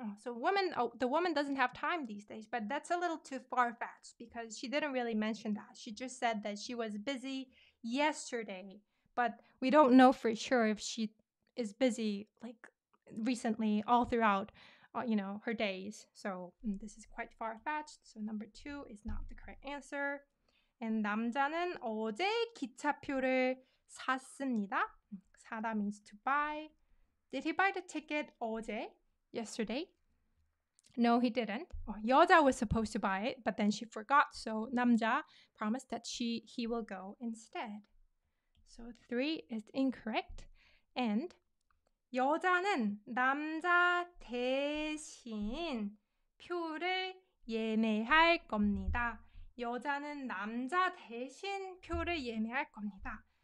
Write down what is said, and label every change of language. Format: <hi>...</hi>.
<en>So woman, the woman doesn't have time these days, but that's a little too far-fetched because she didn't really mention that. She just said that she was busy yesterday, but we don't know for sure if she is busy like recently all throughout, you know, her days. So this is quite far-fetched. So number two is not the correct answer. And</en> <ko>남자는 어제 기차표를 샀습니다.</ko> <en>사다 means to buy. Did he buy the ticket 어제? Yesterday? No, he didn't. 여자 was supposed to buy it, but then she forgot. So 남자 promised that he will go instead. So 3 is incorrect.</en> <ko>And 여자는 남자 대신 표를 예매할 겁니다. 여자는 남자 대신 표를 예매할 겁니다.</ko>